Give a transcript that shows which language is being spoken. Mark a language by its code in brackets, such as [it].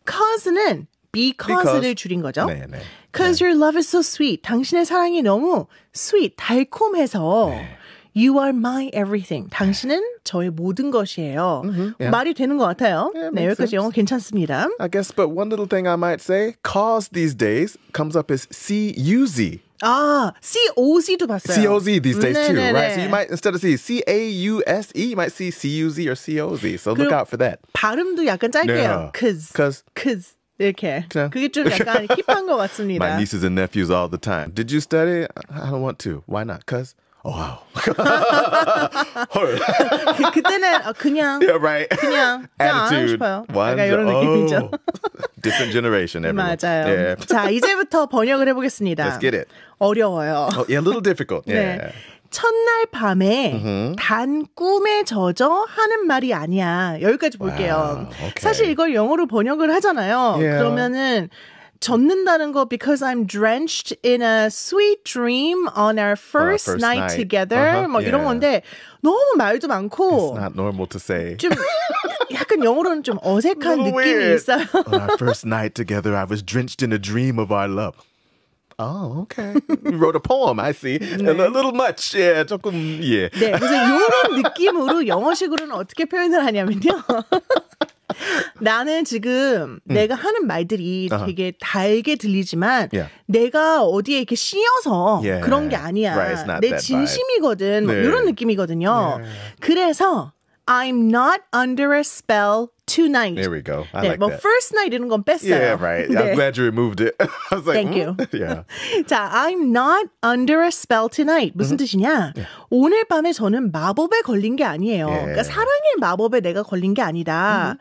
[ko] Cause는 because를 줄인 거죠. 네, 네. [en] Cause [ko] 네. [en] your love is so sweet. [ko] 당신의 사랑이 너무 sweet, 달콤해서 네. [en] You are my everything. [ko] 당신은 저의 모든 것이에요. [en] Mm-hmm, yeah. [ko] 말이 되는 것 같아요. [en] Yeah, [ko] 네, 여기까지 영어 괜찮습니다. [en] I guess, but one little thing I might say, cause these days comes up as C-U-Z. [ko] 아, C-O-Z도 봤어요. [en] C-O-Z these days 네네네. too, right? So you might, instead of see C-A-U-S-E, you might see C-U-Z or C-O-Z. So look out for that. [ko] 발음도 약간 짧게요. [en] Yeah. [ko] Cause. 이렇게. 그게 좀 약간 힙한 것 같습니다. [en] My nieces and nephews all the time. Did you study? I don't want to. Why not? Cause? Oh, wow. [ko] 그때는 그냥. [en] Yeah, right. [ko] 그냥. [en] Attitude. [ko] 약간 이런 느낌이죠. [en] Different generation, everyone. [ko] 맞아요. [en] Yeah. [ko] 자, 이제부터 번역을 해보겠습니다. [en] Let's get it. [ko] 어려워요. [en] Oh, yeah, a little difficult. [ko] 네. Yeah. 첫날 밤에 단 꿈에 젖어 하는 말이 아니야. 여기까지 볼게요. [en] Wow, okay. [ko] 사실 이걸 영어로 번역을 하잖아요. [en] Yeah. [ko] 그러면은 젖는다는 거 [en] because I'm drenched in a sweet dream on our first, first night together. Uh-huh. [ko] 뭐 [en] yeah. [ko] 이런 건데 너무 말도 많고 [en] It's not normal to say. [ko] 좀 약간 영어로는 좀 어색한 느낌이 [en] weird. [ko] 있어요. [en] On our first night together, I was drenched in a dream of our love. Oh, okay. You wrote a poem, I see. 네. A little much. Yeah, 조금, yeah. [ko] 네, 그래서 이런 느낌으로 영어식으로는 어떻게 표현을 하냐면요. 나는 지금 내가 하는 말들이 되게 달게 들리지만 내가 어디에 이렇게 씌어서 그런 게 아니야. [en] Right, [ko] 내 진심이거든. 네. 이런 느낌이거든요. 네. [en] 그래서 I'm not under a spell tonight. There we go. I [ko] 네, [en] like [ko] 뭐 [en] that. [ko] First night 이런 건 뺐어요. [en] Yeah, right. 네. I'm glad you removed it. I was like, Thank you. Yeah. 자, I'm not under a spell tonight. [ko] 무슨 뜻이냐? [en] Yeah. [ko] 오늘 밤에 저는 마법에 걸린 게 아니에요. [en] Yeah. [ko] 그러니까 사랑의 마법에 내가 걸린 게 아니다.